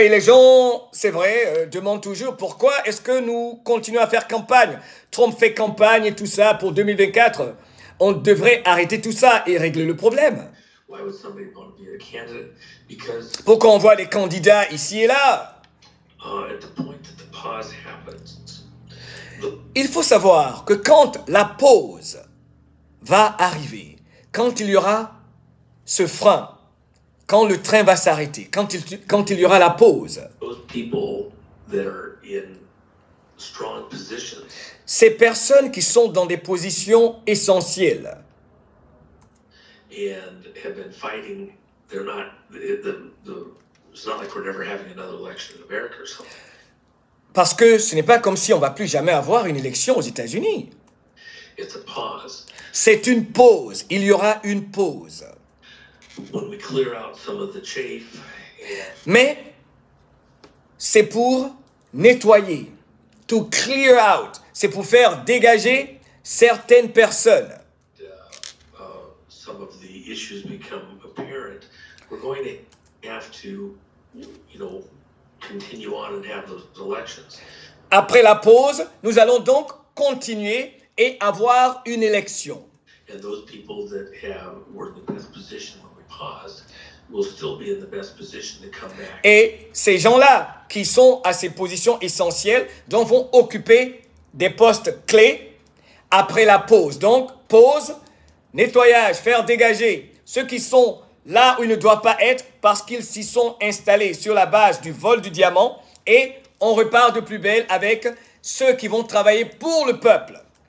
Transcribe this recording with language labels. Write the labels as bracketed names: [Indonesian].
[French] Et les gens, c'est vrai, demandent toujours pourquoi est-ce que nous continuons à faire campagne? Trump fait campagne et tout ça pour 2024. On devrait arrêter tout ça et régler le problème. [English] Why would somebody want to be a candidate? Because [French] pourquoi on voit des candidats ici et là? [English] At the point that the pause happens, [French] il faut savoir que quand la pause va arriver, quand il y aura ce frein, quand le train va s'arrêter, quand il y aura la pause, [English] those people that are in strong positions, [French] ces personnes qui sont dans des positions essentielles [English] and have been fighting, they're not, it's not like we're never having another election in America or something. [French] Parce que ce n'est pas comme si on va plus jamais avoir une élection aux États-Unis. [English] It's a pause. [French] C'est une pause. Il y aura une pause. [English] When we clear out some of the chafe. [French] Mais c'est pour nettoyer. [English] To clear out. [French] C'est pour faire dégager certaines personnes. [English] Some of the issues become apparent. We're going to have to, you know, continue on and have those elections. [French] Après la pause, nous allons donc continuer et avoir une élection. [English] And those people that have were in the best position when we paused will still be in the best position to come back. [French] Et ces gens-là qui sont à ces positions essentielles donc vont occuper des postes clés après la pause. Donc pause, nettoyage, faire dégager ceux qui sont là où ils ne doivent pas être parce qu'ils s'y sont installés sur la base du vol du diamant, et on repart de plus belle avec ceux qui vont travailler pour le peuple.